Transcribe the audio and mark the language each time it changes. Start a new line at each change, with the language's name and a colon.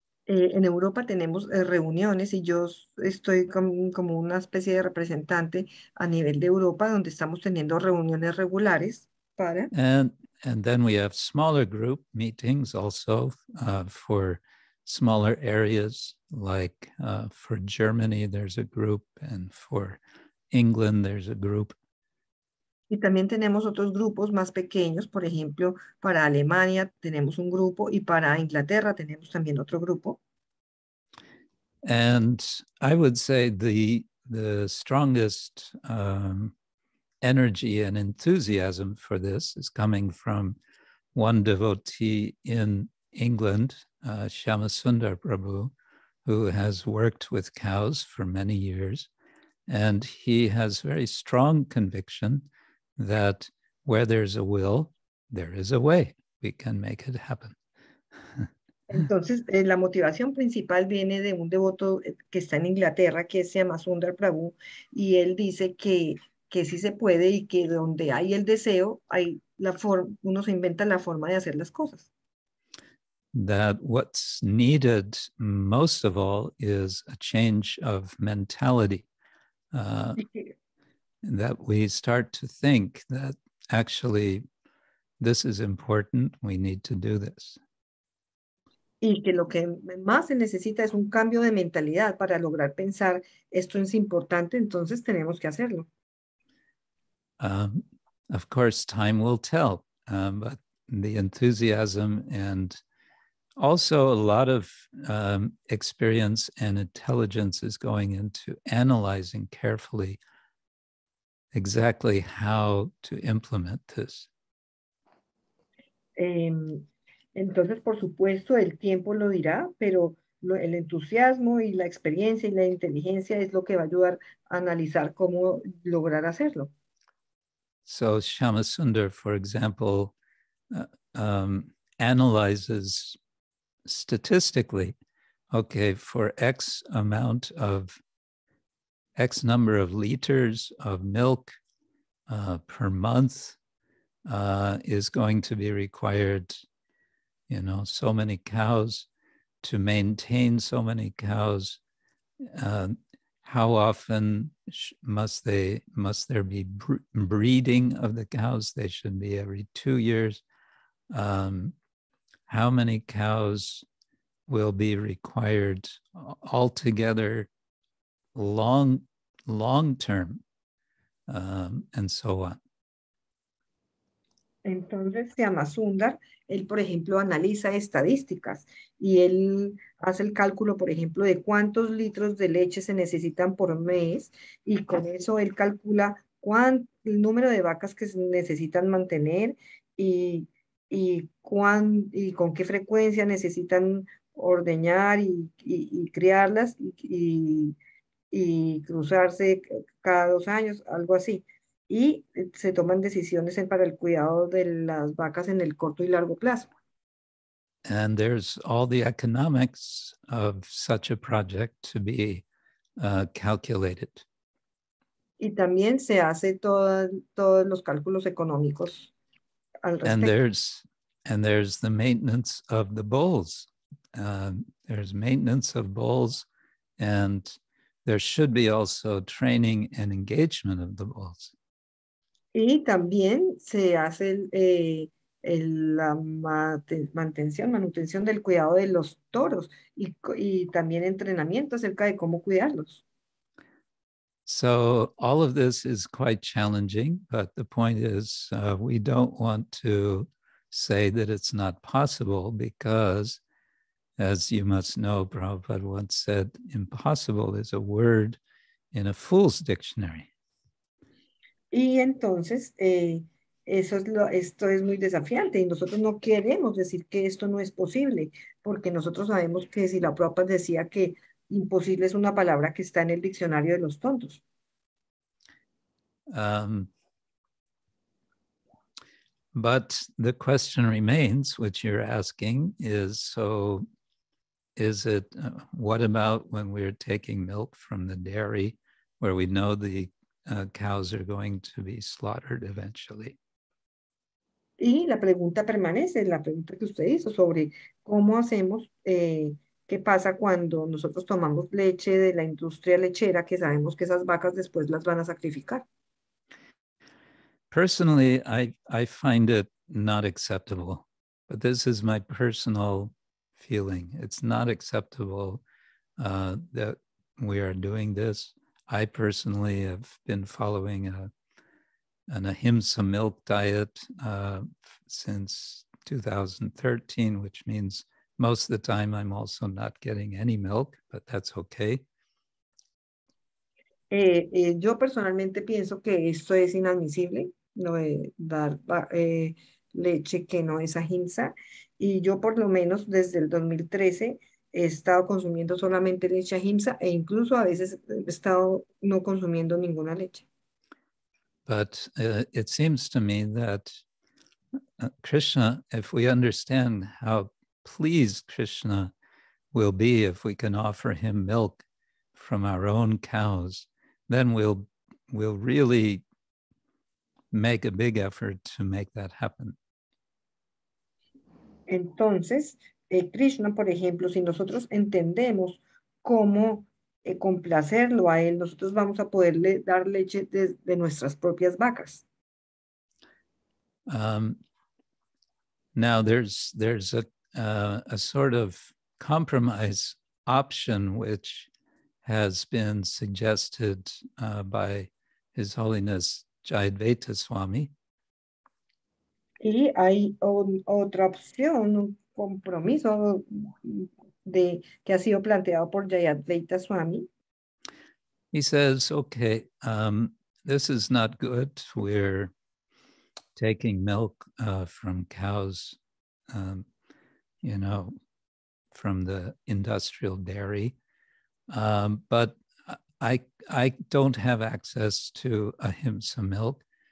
Spanish: En Europa tenemos reuniones y yo estoy como una especie de representante a nivel de Europa donde estamos teniendo reuniones regulares para...
English: And then we have smaller group meetings also for smaller areas, like for Germany there's a group and for England there's a group.
Spanish: Y también tenemos otros grupos más pequeños, por ejemplo, para Alemania tenemos un grupo y para Inglaterra tenemos también otro grupo.
English: And I would say the strongest energy and enthusiasm for this is coming from one devotee in England, Shyamasundar Prabhu, who has worked with cows for many years. And he has very strong conviction that where there's a will, there is a way. We can make it happen.
Spanish: Entonces, la motivación principal viene de un devoto que está en Inglaterra, que se llama Sundar Prabhu, y él dice que sí se puede y que donde hay el deseo, hay la forma, uno se inventa la forma de hacer las cosas.
English: That what's needed most of all is a change of mentality. that we start to think that actually this is important, we need to do this.
Spanish: Y que lo que más se necesita es un cambio de mentalidad para lograr pensar esto es importante, entonces tenemos que hacerlo.
English: Of course, time will tell, but the enthusiasm and also a lot of experience and intelligence is going into analyzing carefully exactly how to implement this.
Spanish: Entonces, por supuesto, el tiempo lo dirá, pero el entusiasmo y la experiencia y la inteligencia es lo que va a ayudar a analizar cómo lograr hacerlo.
English: So, Shyamasundar, for example, analyzes statistically, okay, for X number of liters of milk per month is going to be required, you know, so many cows, to maintain so many cows, how often must there be breeding of the cows? They should be every 2 years. How many cows will be required altogether long term, and so on.
Spanish: Entonces, Shyamasundar, él, por ejemplo, analiza estadísticas y él hace el cálculo, por ejemplo, de cuántos litros de leche se necesitan por mes y con eso él calcula el número de vacas que se necesitan mantener y con qué frecuencia necesitan ordeñar y criarlas y cruzarse cada 2 años, algo así. Y se toman decisiones para el cuidado de las vacas en el corto y largo plazo.
English: And there's all the economics of such a project to be calculated.
Spanish: Y también se hace todos los cálculos económicos al respecto.
English: And there's the maintenance of the bulls. There's maintenance of bulls, and there should be also training and engagement of the bulls.
Spanish: Y también se hace la manutención del cuidado de los toros y también entrenamiento acerca de cómo cuidarlos.
English: So all of this is quite challenging, but the point is we don't want to say that it's not possible because, as you must know, Prabhupada once said, impossible is a word in a fool's dictionary.
Spanish: Y entonces, esto es muy desafiante y nosotros no queremos decir que esto no es posible, porque nosotros sabemos que si la Prabhupada decía que imposible es una palabra que está en el diccionario de los tontos.
English: But the question remains, which you're asking, is so, is it, what about when we're taking milk from the dairy where we know the cows are going to be slaughtered eventually?
Spanish: Y la pregunta permanece, la pregunta que usted hizo sobre cómo hacemos, qué pasa cuando nosotros tomamos leche de la industria lechera que sabemos que esas vacas después las van a sacrificar.
English: Personally, I find it not acceptable, but this is my personal feeling. It's not acceptable that we are doing this. I personally have been following an ahimsa milk diet since 2013, which means most of the time I'm also not getting any milk, but that's okay.
Spanish: Yo personalmente pienso que esto es inadmisible, lo de dar leche que no es ahimsa. Y yo por lo menos desde el 2013 he estado consumiendo solamente leche ahimsa e incluso a veces he estado no consumiendo ninguna leche.
English: But it seems to me that Krishna, if we understand how pleased Krishna will be if we can offer him milk from our own cows, then we'll really make a big effort to make that happen.
Spanish: Entonces, Krishna, por ejemplo, si nosotros entendemos cómo complacerlo a él, nosotros vamos a poderle dar leche de nuestras propias vacas.
English: Now there's a sort of compromise option which has been suggested by His Holiness Jayadvaita Swami.
Spanish: Y hay otra opción, un compromiso que ha sido planteado por Jayadvaita Swami.
English: He says, okay, this is not good. We're taking milk from cows, from the industrial dairy. But I don't have access to ahimsa milk.